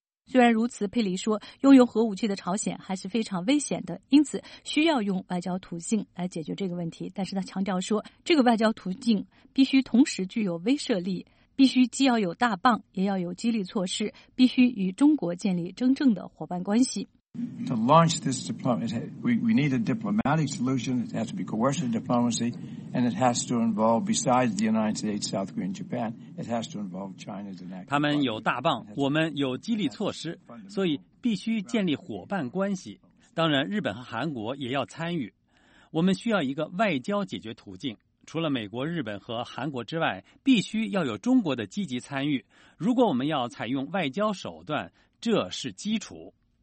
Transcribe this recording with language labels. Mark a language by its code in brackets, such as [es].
[zh] 虽然如此，佩里说，拥有核武器的朝鲜还是非常危险的，因此需要用外交途径来解决这个问题。但是他强调说，这个外交途径必须同时具有威慑力，必须既要有大棒，也要有激励措施，必须与中国建立真正的伙伴关系。 [en] To launch this diplomacy, we need a diplomatic solution. It has to be coercive diplomacy, and it has to involve, besides the United States, South Korea, and Japan, it has to involve China's an active. [zh] 他们有大棒，我们有激励措施，所以必须建立伙伴关系。当然，日本和韩国也要参与。我们需要一个外交解决途径。除了美国、日本和韩国之外，必须要有中国的积极参与。如果我们要采用外交手段，这是基础。